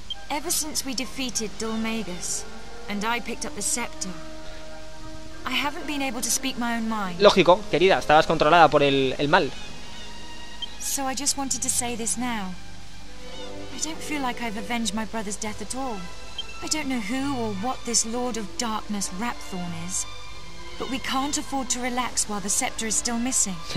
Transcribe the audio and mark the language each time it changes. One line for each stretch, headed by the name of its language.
English: Ever since we defeated Dulmagus and I picked up the scepter, I haven't been able to speak my own mind.
Spanish: Lógico, querida, estabas controlada por el mal.
English: So I just wanted to say this now. I don't feel like I've avenged my brother's death at all. I don't know who or what this Lord of Darkness Rapthorn is, but we can't afford to relax while the scepter is still missing.